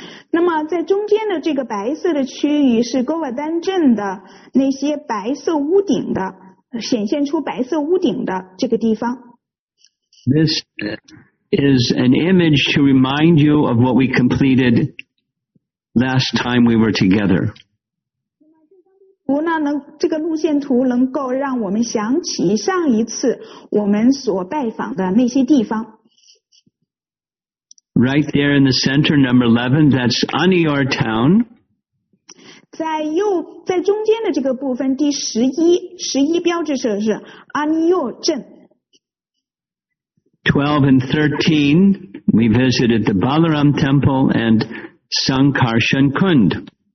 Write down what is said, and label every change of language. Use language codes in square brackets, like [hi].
[zh] 那么在中间的这个白色的区域是 Govardhan 镇的那些白色屋顶的显现出白色屋顶的这个地方。 [en] This is an image to remind you of what we completed last time we were together. [zh] 这个路线图能够让我们想起上一次我们所拜访的那些地方。 [en] Right there in the center, number 11, that's Aniyar Town. [zh] 在中间的这个部分第11标志设是 Aniyar 镇。 [en] 12 and 13, we visited the Balaram Temple and Sankarshan Kund.